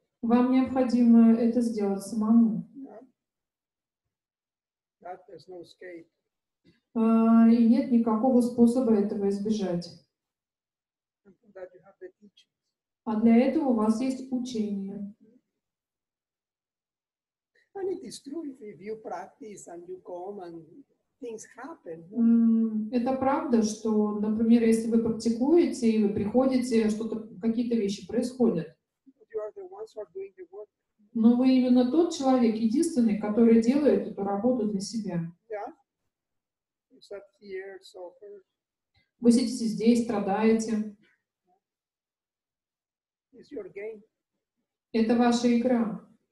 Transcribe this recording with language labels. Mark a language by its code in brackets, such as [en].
[ru] Вам необходимо это сделать самому. [en] That there's no escape. [ru] И нет никакого способа этого избежать. [en] That you have the teaching. [ru] А для этого у вас есть учение. [en] And it is true if you practice and you come and things happen. [ru] Это правда, что, например, если вы практикуете и вы приходите, что-то, какие-то вещи происходят. [en] But you are the ones who are doing the work. [ru] Но вы именно тот человек, единственный, который делает эту работу для себя. [en] Yeah. Here, so [ru] вы сидите здесь, страдаете. [en] It's your game. [ru] Это ваша игра.